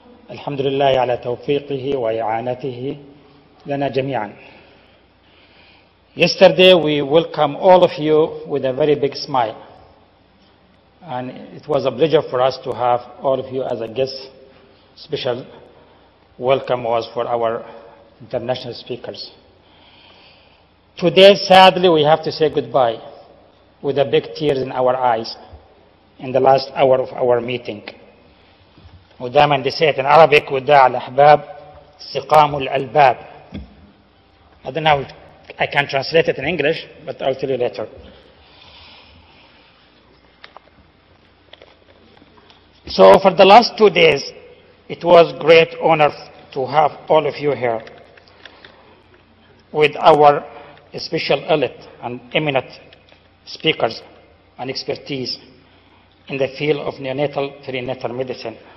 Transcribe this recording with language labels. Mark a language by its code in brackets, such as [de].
[ar] الحمد لله على توفيقه وإعانته لنا جميعا. [en] Yesterday we welcome all of you with a very big smile, and it was a pleasure for us to have all of you as a guest. Special welcome was for our international speakers. Today, sadly, we have to say goodbye with a big tears in our eyes in the last hour of our meeting. ودائما دسيت ان عربي كودا على احباب استقام الالباب. I don't know I can translate it in English, but I'll tell you later. So for the last two days, it was great honor to have all of you here with our special elite and eminent speakers and expertise in the field of neonatal prenatal medicine.